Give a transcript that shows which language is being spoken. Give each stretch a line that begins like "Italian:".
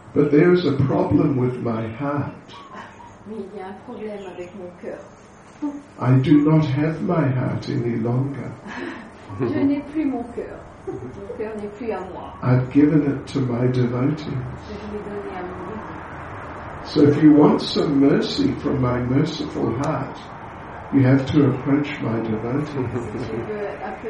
English: But there is a problem with my heart.
French: Mais il y a un problème avec mon cœur.
English: I do not have my heart any longer.
French: Je n'ai plus mon cœur. Mon cœur n'est plus à moi.
English: I've given it to my devotees.
French: Je l'ai donné à mon devotee.
English: So if you want some mercy from my merciful heart, you have to approach my devotee.